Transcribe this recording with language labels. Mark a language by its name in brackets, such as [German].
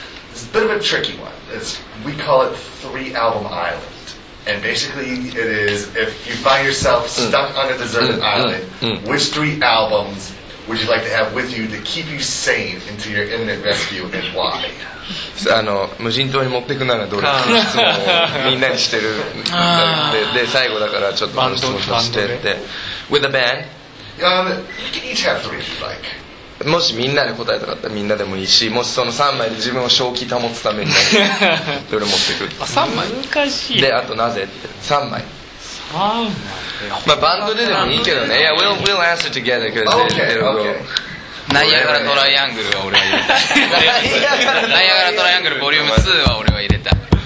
[English] It's a bit of a tricky one. We call it Three Album Island. And basically it is, if you find yourself stuck on a deserted island, which three albums would you like to have with you to keep you sane into your imminent rescue, and why? [Japanese] あの、無人島に持ってくならどれっていう質問をみんなにしてる。で、最後だからちょっとこの質問としてって。 [English] With a band? You can each have three if you'd like. [Japanese] もしみんなで答えたかったらみんなでもいいし、もしその3枚で自分を正気保つためにどれ持ってくあ3枚難しい。で、あとなぜって3枚 3枚、まあ、バンドででもいいけどね。いや、 [English] we'll answer together because okay, okay. It'll go. [Japanese] ナイアガラトライアングルは俺は入れたナイアガラトライアングルボリューム2は俺は入れた